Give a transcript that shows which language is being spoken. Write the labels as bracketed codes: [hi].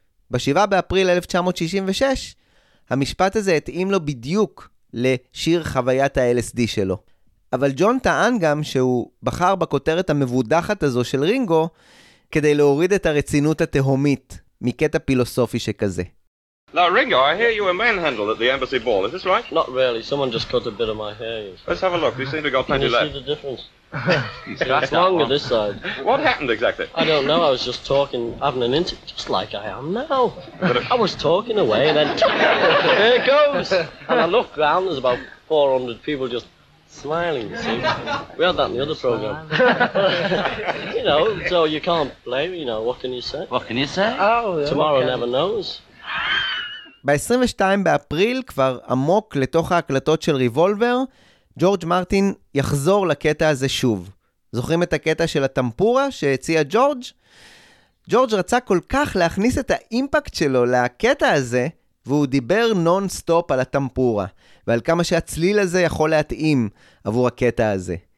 [he] בשבעה באפריל 1966, המשפט הזה התאים לו בדיוק לשיר חוויית ה-LSD שלו. אבל ג'ון טען גם שהוא בחר בכותרת המבודחת הזו של רינגו כדי להוריד את הרצינות התהומית מקטע פילוסופי שכזה. [en] Now, Ringo, I hear you were manhandled at the embassy ball. Is this right? Not really. Someone just cut a bit of my hair. Let's have a look. You seem to have got plenty left. You see the difference? That's longer this side. What happened exactly? I don't know. I was just talking, having an interview, just like I am now. I was talking away, and then there it goes. And I look round, there's about 400 people just smiling, you see. We had that in the other program. You know, so you can't blame, you know, what can you say? What can you say? Oh, yeah, tomorrow okay. Never knows. [he] ב-22 באפריל, כבר עמוק לתוך ההקלטות של ריבולבר, ג'ורג' מרטין יחזור לקטע הזה שוב. זוכרים את הקטע של הטמפורה שהציע ג'ורג'? ג'ורג' רצה כל כך להכניס את האימפקט שלו לקטע הזה, והוא דיבר נון-סטופ על הטמפורה, ועל כמה שהצליל הזה יכול להתאים עבור הקטע הזה.